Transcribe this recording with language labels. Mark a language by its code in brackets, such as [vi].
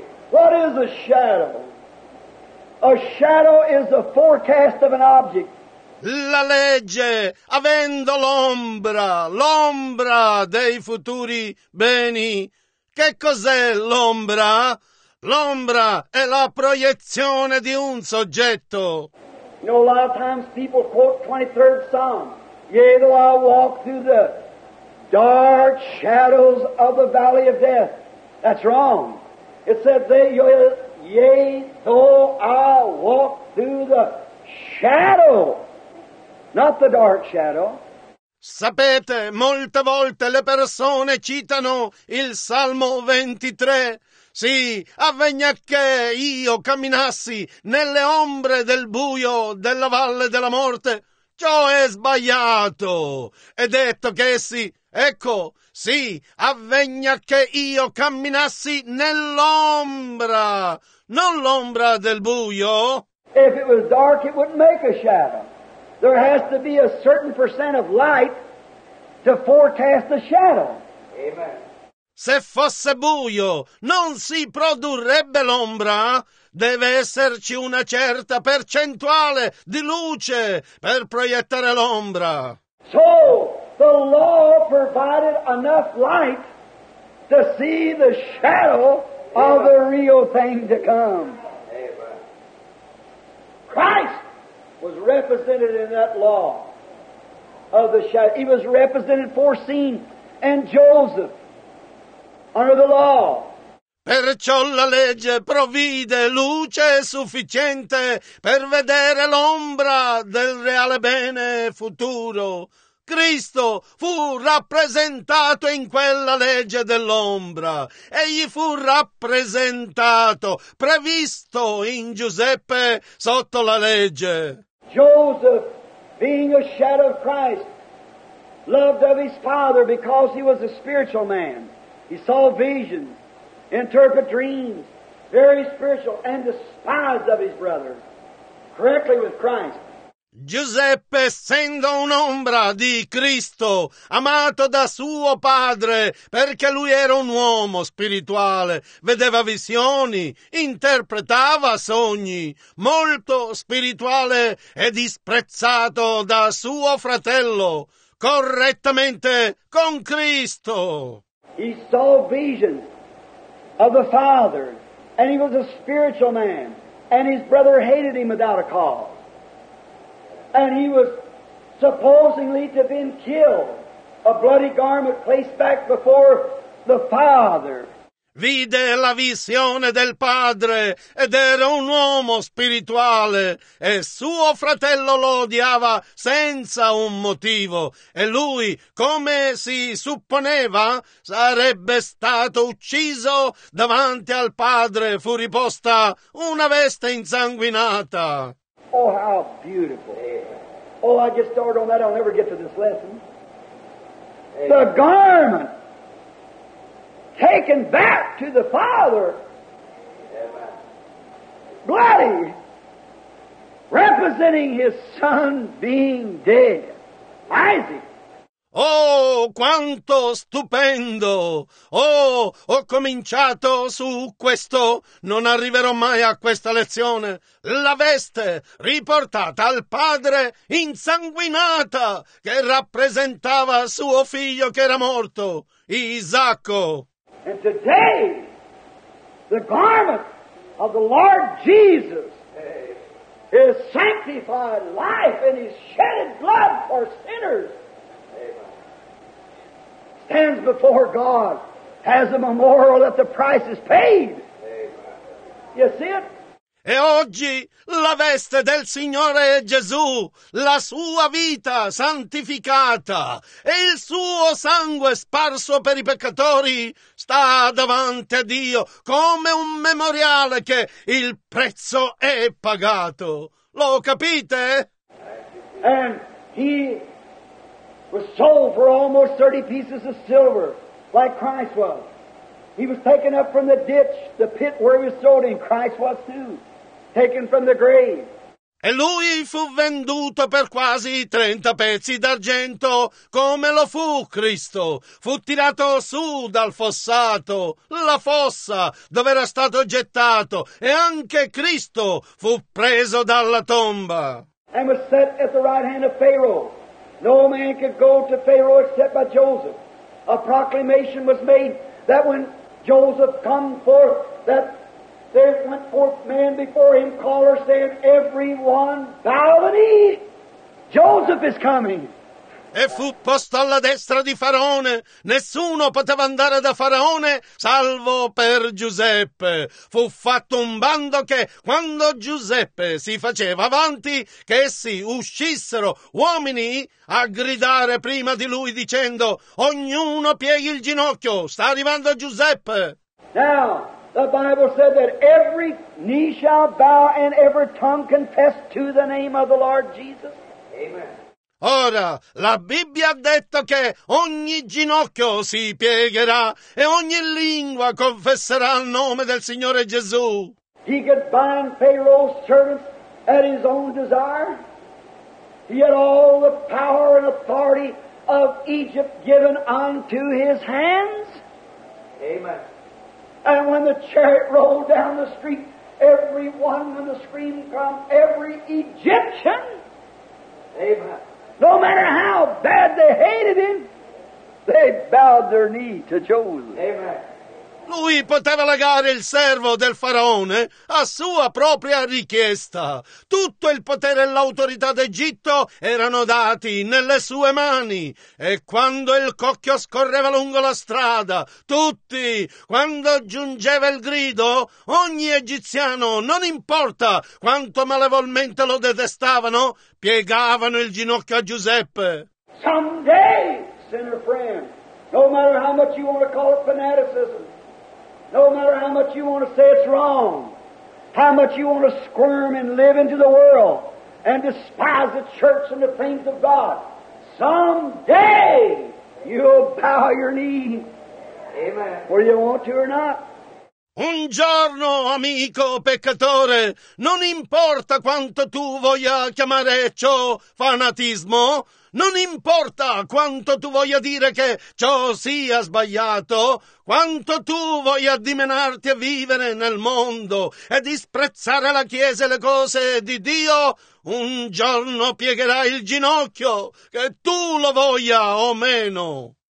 [en] What is a shadow? A shadow is the forecast of an object. [it] La legge, avendo l'ombra, l'ombra dei futuri beni. Che cos'è l'ombra? L'ombra è la proiezione di un soggetto. [en] You know, a lot of times people quote 23rd Psalm. Yea, though I walk through the dark shadows of the valley of death. That's wrong. It said, yea, though I walk through the shadow, not the dark shadow. [it] Sapete, molte volte le persone citano il Salmo 23. Sì, avvegna che io camminassi nelle ombre del buio della valle della morte. Ciò è sbagliato. È detto che essi, ecco, sì, avvegna che io camminassi nell'ombra, non l'ombra del buio. [en] If it was dark, it wouldn't make a shadow. There has to be a certain percent of light to forecast a shadow. Amen. [it] Se fosse buio, non si produrrebbe l'ombra? Deve esserci una certa percentuale di luce per proiettare l'ombra. [en] So, the law provided enough light to see the shadow of the real thing to come. Christ was represented in that law of the shadow. He was represented, foreseen, and Joseph. Under the law. [it] Perciò la legge provvide luce sufficiente per vedere l'ombra del reale bene futuro. Cristo fu rappresentato in quella legge dell'ombra. Egli fu rappresentato, previsto in Giuseppe sotto la legge. [en] Joseph, being a shadow of Christ, loved of his father because he was a spiritual man. He saw visions, interpret dreams, very spiritual, and despised of his brother, correctly with Christ. [it] Giuseppe, essendo un'ombra di Cristo, amato da suo padre, perché lui era un uomo spirituale, vedeva visioni, interpretava sogni, molto spirituale e disprezzato da suo fratello, correttamente con Cristo. [en] He saw visions of the Father, and he was a spiritual man, and his brother hated him without a cause. And he was supposedly to have been killed, a bloody garment placed back before the Father. [it] Vide la visione del padre ed era un uomo spirituale e suo fratello lo odiava senza un motivo e lui, come si supponeva, sarebbe stato ucciso davanti al padre. Fu riposta una veste insanguinata. [en] Oh, how beautiful. Oh, I just started on that. I'll never get to this lesson. The garment taken back to the Father, bloody, representing his son being dead, Isaac. [it] Oh, quanto stupendo! Oh, ho cominciato su questo, non arriverò mai a questa lezione. La veste riportata al padre insanguinata che rappresentava suo figlio che era morto, Isacco. [en] And today, the garment of the Lord Jesus, his sanctified life and his shedded blood for sinners, stands before God as a memorial that the price is paid. You see it? [it] E oggi la veste del Signore è Gesù, la sua vita santificata e il suo sangue sparso per i peccatori sta davanti a Dio come un memoriale che il prezzo è pagato. Lo capite? [en] And he was sold for almost 30 pieces of silver, like Christ was. He was taken up from the ditch, the pit where he was sold in, Christ was too. Taken from the grave. [it] E lui fu venduto per quasi 30 pezzi d'argento, come lo fu Cristo. Fu tirato su dal fossato, la fossa dove era stato gettato, e anche Cristo fu preso dalla tomba. [en] And was set at the right hand of Pharaoh. No man could go to Pharaoh except by Joseph. A proclamation was made that when Joseph come forth, that there went forth man before him, caller saying, everyone bow the knee, Joseph is coming. [it] E fu posto alla destra di Faraone. Nessuno poteva andare da Faraone salvo per Giuseppe. Fu fatto un bando che quando Giuseppe si faceva avanti, che essi uscissero uomini a gridare prima di lui dicendo, ognuno pieghi il ginocchio, sta arrivando Giuseppe. [en] Now, the Bible said that every knee shall bow and every tongue confess to the name of the Lord Jesus. Amen. [it] Ora, la Bibbia ha detto che ogni ginocchio si piegherà e ogni lingua confesserà il nome del Signore Gesù. [en] He could bind Pharaoh's servants at his own desire. He had all the power and authority of Egypt given unto his hands. Amen. And when the chariot rolled down the street, everyone, when the scream come, every Egyptian. Amen. No matter how bad they hated him, they bowed their knee to Joseph. Amen. [it] Lui poteva legare il servo del faraone a sua propria richiesta. Tutto il potere e l'autorità d'Egitto erano dati nelle sue mani. E quando il cocchio scorreva lungo la strada, tutti, quando giungeva il grido, ogni egiziano, non importa quanto malevolmente lo detestavano, piegavano il ginocchio a Giuseppe. [en] Someday, sinner friend, no matter how much you want to call it fanaticism, no matter how much you want to say it's wrong, how much you want to squirm and live into the world and despise the church and the things of God, someday you'll bow your knee, amen, whether you want to or not. [it] Un giorno, amico peccatore, non importa quanto tu voglia chiamare ciò fanatismo, non importa quanto tu voglia dire che ciò sia sbagliato, quanto tu voglia dimenarti a vivere nel mondo e disprezzare la Chiesa e le cose di Dio, un giorno piegherai il ginocchio, che tu lo voglia o meno.